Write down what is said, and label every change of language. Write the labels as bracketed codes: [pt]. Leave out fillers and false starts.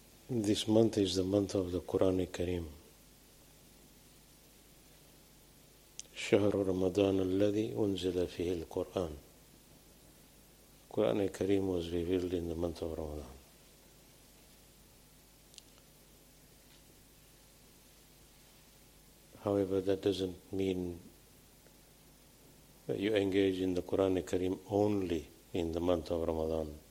[en] This month is the month of the Quran al-Kareem. [ar] شهر رمضان الذي أنزل فيه القرآن. [en] Quran al-Kareem was revealed in the month of Ramadan. However, that doesn't mean that you engage in the Quran al-Kareem only in the month of Ramadan.